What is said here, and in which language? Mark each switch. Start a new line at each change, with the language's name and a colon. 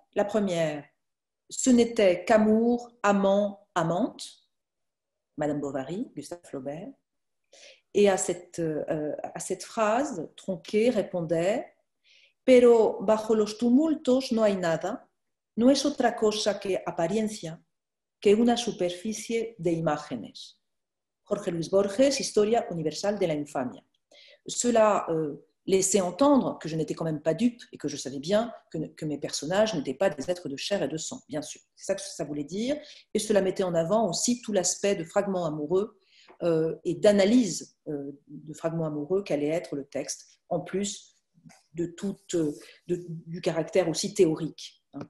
French: La première, ce n'était qu'amour, amant, amante, Madame Bovary, Gustave Flaubert. Et à cette phrase tronquée, répondait:
Spanish: Pero bajo los tumultos no hay nada. No es otra cosa que apariencia, que una superficie de imágenes. Jorge Luis Borges, Historia universal de la infamia.
French: Cela laissait entendre que je n'étais quand même pas dupe et que je savais bien que mes personnages n'étaient pas des êtres de chair et de sang, bien sûr. C'est ça que ça voulait dire. Et cela mettait en avant aussi tout l'aspect de fragments amoureux et d'analyse de fragments amoureux qu'allait être le texte, en plus du caractère aussi théorique.